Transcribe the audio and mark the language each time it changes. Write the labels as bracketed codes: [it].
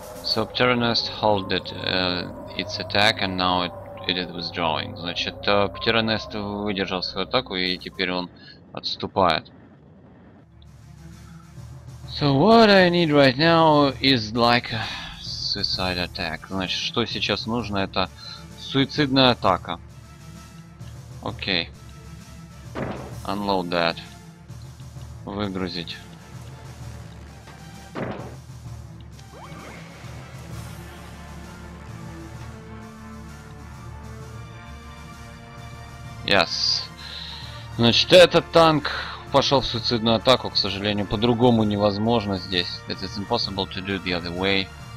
[en] So Pteranest halted its attack and now it is withdrawing. [ru] Значит, Pteranest выдержал свою атаку и теперь он отступает. [en] So what I need right now is like a suicide attack. [ru] Значит, что сейчас нужно, это суицидная атака. [en] Okay. Unload that. [ru] Выгрузить. [en] Yes. [ru] Значит, этот танк пошел в суицидную атаку, к сожалению, по-другому невозможно здесь. [en] It is impossible to do the other way.